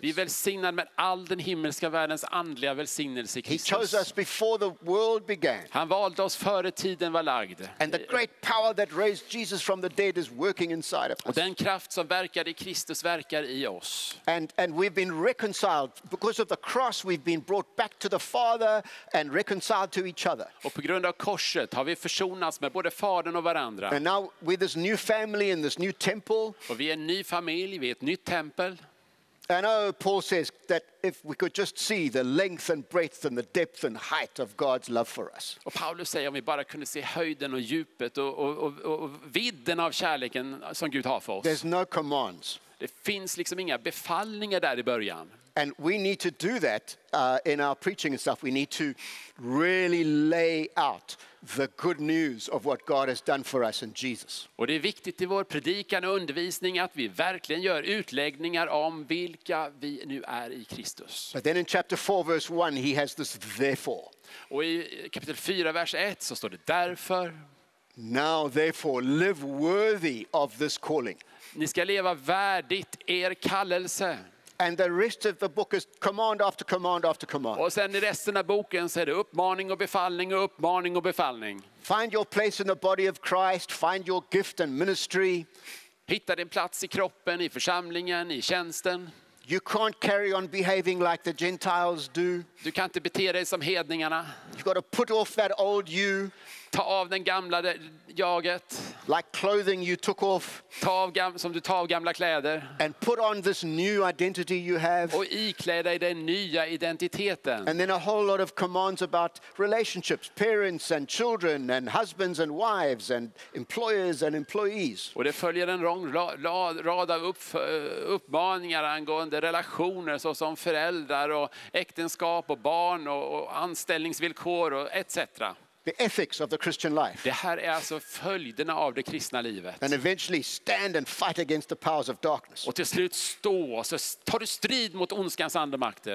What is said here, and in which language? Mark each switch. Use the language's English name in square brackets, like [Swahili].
[Swedish] Vi är välsignade med all den himmelska världens andliga välsignelse i Kristus. [English] He chose us before the world began. [Swedish] Han valde oss före tiden var lagd. [English] And the great power that raised Jesus from the dead is working inside of us. [Swedish] Och den kraft som verkar i Kristus verkar i oss. [English] And we've been reconciled because of the cross. We've been brought back to the Father and reconciled to each other. [Swedish] Och på grund av korset har vi försonats med både fadern och varandra. [English] And now with this new family in this new temple. [Swedish] Och vi är en ny familj, vi är ett nytt tempel. [English] And oh, Paul says that if we could just see the length and breadth and the depth and height of God's love for us. [Swedish] Och Paulus säger om vi bara kunde se höjden och djupet och vidden av kärleken som Gud har för oss. [English] There's no commands. [Swedish] Det finns liksom inga befallningar där i början. [English] And we need to do that in our preaching and stuff. We need to really lay out the good news of what God has done for us in Jesus. [Swedish] Och det är viktigt i vår predikan och undervisning att vi verkligen gör utläggningar om vilka vi nu är i Kristus. [English] But then in chapter 4 verse 1 he has this therefore. [Swedish] Och i kapitel 4 vers 1 så står det därför. [English] Now therefore live worthy of this calling. [Swedish] Ni ska leva värdigt er kallelse. [English] And the rest of the book is command after command after command. [Swedish] Och sen i resten av boken så är det uppmaning och befallning och uppmaning och befallning. [English] Find your place in the body of Christ, find your gift and ministry. [Swedish] Hitta din plats i kroppen, i församlingen, i tjänsten. [English] You can't carry on behaving like the Gentiles do. [Swedish] Du kan inte bete dig som hedningarna. [English] You've got to put off that old you. [Swedish] Ta av den gamla jaget. [English] Like clothing you took off. [Swedish] Ta av som du tar av gamla kläder. [English] And put on this new identity you have. [Swedish] Och iklä dig den nya identiteten. [English] And then a whole lot of commands about relationships, parents and children and husbands and wives and employers and employees. [Swedish] Och det följer en lång rad av uppmaningar angående relationer såsom föräldrar och äktenskap och barn och anställningsvillkor och etc. [English] The ethics of the Christian life. [Swedish] Det här är alltså följderna av det kristna livet. [English] And eventually stand and fight against the powers of darkness. [Swedish] Och till slut stå och så tar du strid mot ondskans andemakter.